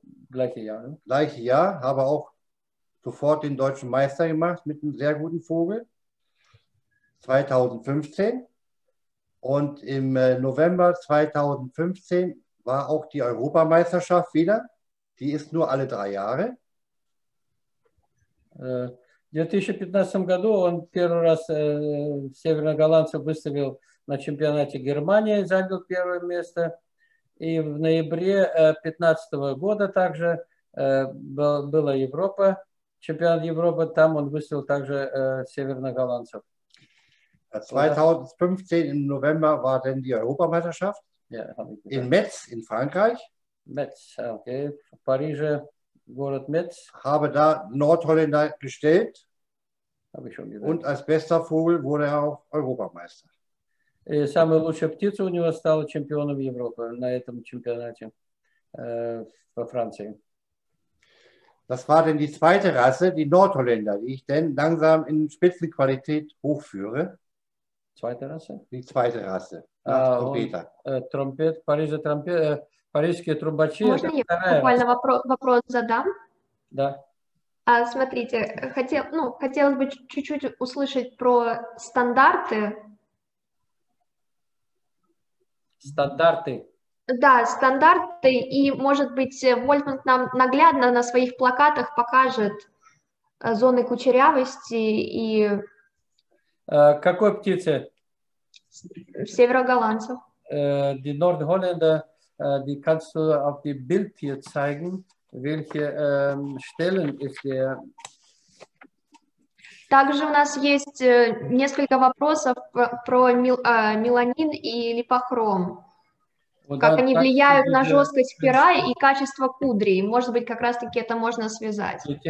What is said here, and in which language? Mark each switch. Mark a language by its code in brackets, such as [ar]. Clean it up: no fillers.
[de] Gleiche Jahr. Habe auch sofort den deutschen Meister gemacht mit einem sehr guten Vogel. 2015. Und im November 2015 war auch die Europameisterschaft wieder. Die ist nur alle drei Jahre. [ru] В 2015 году он первый раз северных голландцев выставил на чемпионате Германии, занял первое место. И в ноябре 2015 года также была Европа, чемпионат Европы, там он выставил также северных голландцев. [de] 2015 im November war denn die Europameisterschaft in Metz in Frankreich. [ru] Metz, okay. В Париже, город Metz. [de] Habe da Nordholländer gestellt. Und als bester Vogel wurde er auch Europameister. [ru] Самая лучшая птица у него стала чемпионом Европы на этом чемпионате во Франции. [de] Das war denn die zweite Rasse, die Nordholländer, die ich denn langsam in Spitzenqualität hochführe. Zweite Rasse? Die zweite Rasse. [ru] Trompeter. Парижские трубачи. Можно я буквально вопрос задам? Да. Смотрите, хотелось бы чуть-чуть услышать про стандарты. Стандарты. Да, стандарты. И, может быть, Вольфганг нам наглядно на своих плакатах покажет зоны кучерявости и... Какой птицы? Северо-голландцев. [de] Die Nordholländer, die kannst du auf dem Bild hier zeigen. Welche Stellen ist der? [ru] Также у нас есть несколько вопросов про меланин и липохром. Как они влияют на жесткость пера и качество кудри. Может быть, как раз-таки это можно связать.